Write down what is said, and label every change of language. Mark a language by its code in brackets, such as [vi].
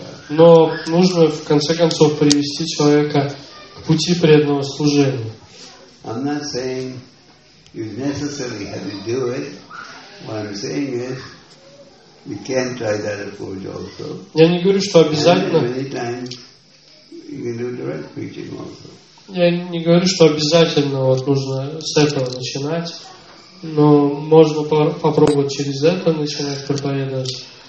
[ru] Но нужно в конце концов привести человека к пути преданного служения. [en] I'm not saying you necessarily have to do it. What I'm saying is you can try that approach also. [ru] Я не говорю, что обязательно. [en] And many times you can do direct preaching also. [ru] Я не говорю, что обязательно вот нужно с этого начинать, но можно попробовать через это начинать проповедовать.